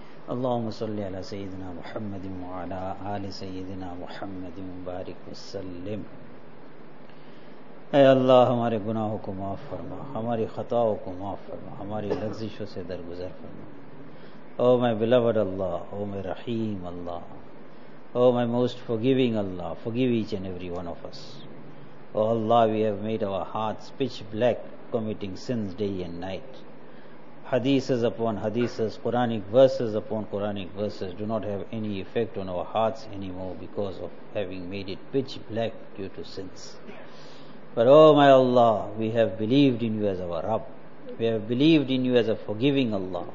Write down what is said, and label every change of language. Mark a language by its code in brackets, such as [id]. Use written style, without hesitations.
[ar] اللهم صل على سيدنا محمد وعلى آل سيدنا محمد مبارك وسلم. [ur] اے اللہ ہمارے گناہوں کو معاف فرما، ہماری خطاؤں کو معاف فرما، ہماری لغزشوں سے درگزر فرما. [en] Oh my beloved Allah, oh my رحیم Allah, oh my most forgiving Allah, forgive each and every one of us. Oh Allah, we have made our hearts pitch black committing sins day and night. Hadiths upon hadiths, Quranic verses upon Quranic verses do not have any effect on our hearts anymore because of having made it pitch black due to sins. But oh my Allah, we have believed in you as our Rabb. We have believed in you as a forgiving Allah.